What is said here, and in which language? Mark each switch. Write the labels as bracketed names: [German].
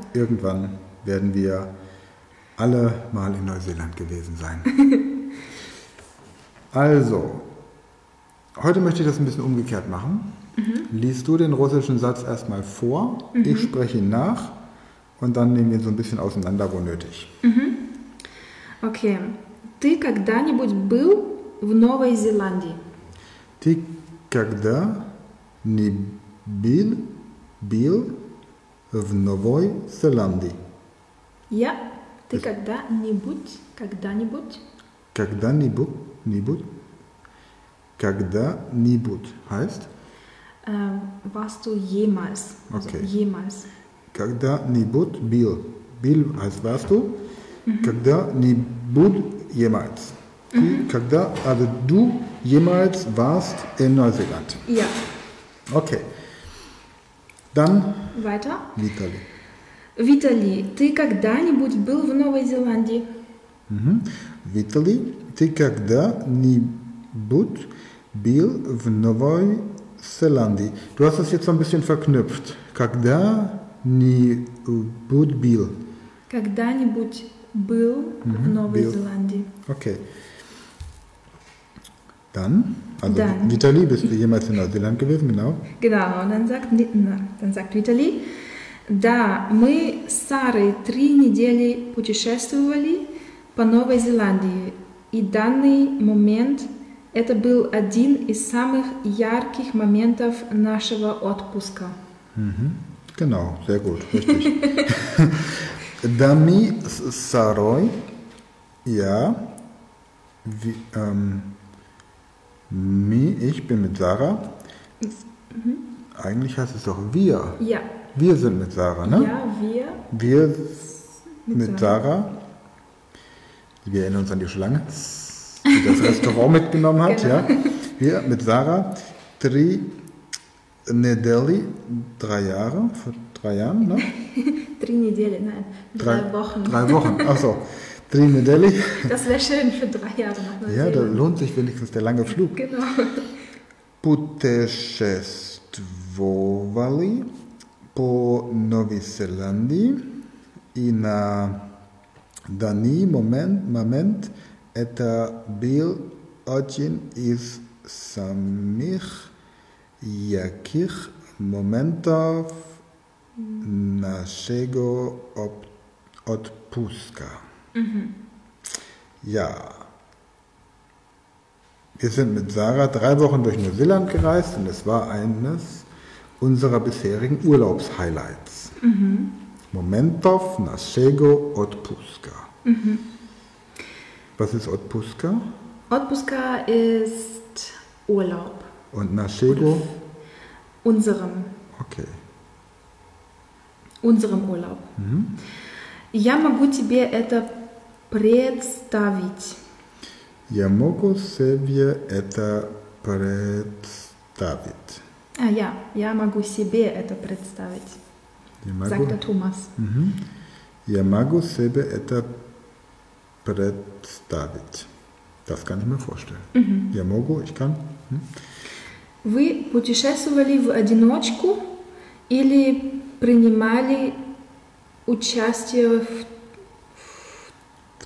[German] Irgendwann werden wir alle mal in Neuseeland gewesen sein. Also, heute möchte ich das ein bisschen umgekehrt machen. Mhm. Liest du den russischen Satz erstmal vor, mhm. ich spreche ihn nach und dann nehmen wir ihn so ein bisschen auseinander, wo nötig. Mhm. Okay. [Russian] Ты когда-нибудь был в Новой Зеландии? Ты когда-нибудь был в Новой Зеландии? Я. Ты когда-нибудь? Когда-нибудь? Когда-нибудь? Нибудь? Когда-нибудь? [German] Heißt? Warst du jemals? Okay. Also jemals. [Russian] Когда нибудь был? Был [German] heißt warst du? [Russian] Когда нибудь [German] jemals? [Russian] Когда, [German] also du jemals warst in Neuseeland? Ja. Okay. Dann? Weiter. Vitali. [Russian] Vitali, ты когда-нибудь был в Новой Зеландии? Mm-hmm. Vitali, ты когда-нибудь был в Новой Зеландии? [German] Du hast das jetzt so ein bisschen verknüpft. [Russian] Когда-нибудь был? Когда-нибудь был в Новой Зеландии? [German] Okay. Dann? Also, dann. Vitali, bist du jemals in Neuseeland gewesen? Genau. Genau, und dann sagt Vitali... [Russian] Да, мы с Сарой 3 недели путешествовали по Новой Зеландии, и данный момент это был один из самых ярких моментов нашего отпуска. [German] Genau, sehr gut, richtig. [Russian] Да, мы с Сарой, [German] ich bin mit Sarah, eigentlich heißt es doch wir. Ja. Wir sind mit Sarah, ne? Ja, wir. Wir mit Sarah. Wir erinnern uns an die Schlange, die das Restaurant mitgenommen hat. Genau. Ja. Wir mit Sarah. 3 [Russian] недели. [German] 3 Jahre. Vor 3 Jahren, ne? [Russian] 3 недели, [German] nein. 3 Wochen. 3 Wochen, ach so. [Russian] 3 недели. [German] Das wäre schön für 3 Jahre. Ja, da lohnt sich wenigstens der lange Flug. Genau. [Russian] Путешествовали по Новой Зеландии, и на данный момент это был один из самых ярких моментов нашего отпуска. [German] Ja, wir sind mit Sarah 3 Wochen durch Neuseeland gereist und es war eines unserer bisherigen Urlaubshighlights. Mhm. [Russian] Momentov našego odpuska. Mhm. [German] Was ist odpuska? Odpuska ist Urlaub. Und našego? Unserem. Okay. Unserem Urlaub. [Russian] Я могу тебе это представить. Я могу себе это представить. Я могу себе это представить, [German] sagt der Thomas. [Russian] Я могу себе это представить. [German] Das kann ich mir vorstellen. [Russian] Я могу, [German] ich kann. [Russian] Вы путешествовали в одиночку или принимали участие в